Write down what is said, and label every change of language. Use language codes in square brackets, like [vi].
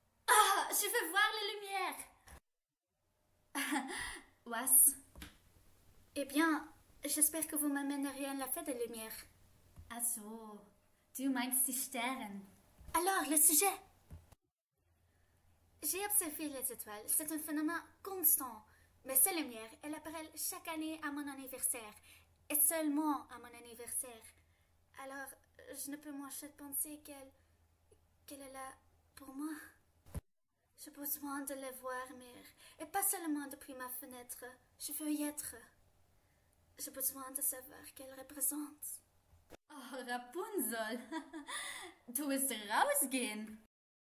[fr] Oh, je veux voir la lumière. [de] Was? [fr] Eh bien, j'espère que vous m'amènerez à la fête de lumière. [de] Ah so, du meinst die Sternen. [fr] Alors, le sujet. J'ai observé les étoiles, c'est un phénomène constant. Mais ces lumières, elles apparaissent chaque année à mon anniversaire. Et seulement à mon anniversaire. Alors, je ne peux m'empêcher de penser qu'elle est là pour moi. J'ai besoin de les voir, mère. Et pas seulement depuis ma fenêtre, je veux y être. J'ai besoin de savoir qu'elle représente. [de] Oh, Rapunzel, du wirst rausgehen.